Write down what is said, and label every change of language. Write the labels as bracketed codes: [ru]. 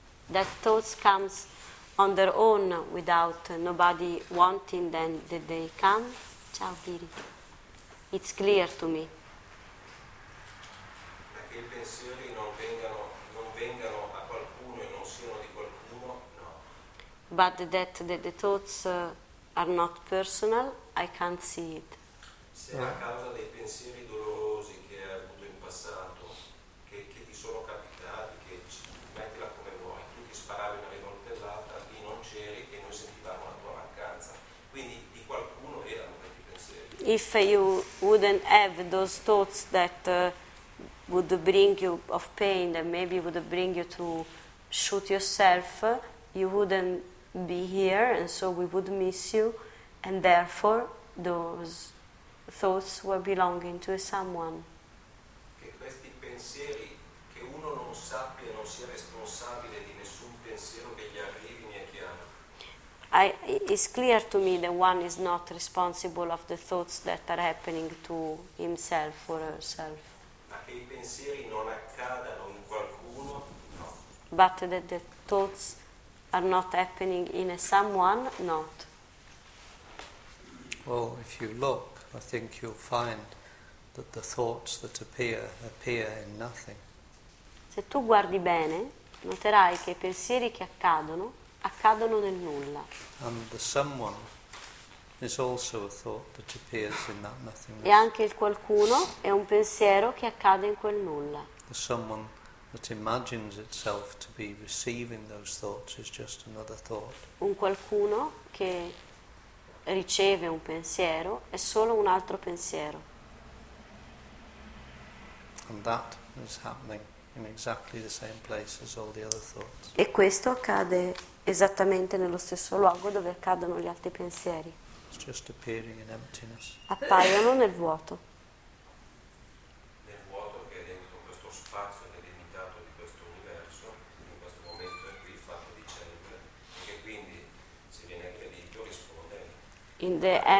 [en] That thoughts comes on their own without nobody wanting them, that they come. [it] Ciao, Piri. [en] It's clear to me. [it] Che i pensieri non vengano a qualcuno e non siano di qualcuno, no. [en] But that the thoughts are not personal, I can't see it. [it] Se a causa dei pensieri dolorosi che hai avuto in passato, che ti sono capitati, che ci mettila come vuoi, tu ti sparavi una rivoltellata, lì non c'eri e noi sentivamo la tua mancanza. Quindi di qualcuno erano questi pensieri. [en] If you wouldn't have those thoughts that would bring you of pain, that maybe would bring you to shoot yourself, you wouldn't be here, and so we would miss you, and therefore those thoughts were belonging to someone. [it] Che questi pensieri, che uno non sappia, non sia responsabile di nessun pensiero che gli arrivi, mi è chiaro. [en] It's clear to me that one is not responsible of the thoughts that are happening to himself or herself. [it] Che i pensieri non accadano in qualcuno, no. [en] But that the thoughts are not happening in someone, not. Well, if you look, I think you'll find that the thoughts that appear in nothing. [it] Se tu guardi bene, noterai che i pensieri che accadono nel nulla. [en] And the someone is also a thought that appears in that nothingness. [it] E anche il qualcuno è un pensiero che accade in quel nulla. [en] The someone that imagines itself to be receiving those thoughts is just another thought. [it] Un qualcuno che riceve un pensiero è solo un altro pensiero. [en] And that is happening in exactly the same place as all the other thoughts. [it] E questo accade esattamente nello stesso luogo dove accadono gli altri pensieri. [en] Just appearing in emptiness. [it] Appaiono nel vuoto. Nel vuoto che è dentro questo spazio delimitato di questo universo, in questo momento è qui il fatto di centro, che quindi se viene aggredito risponde.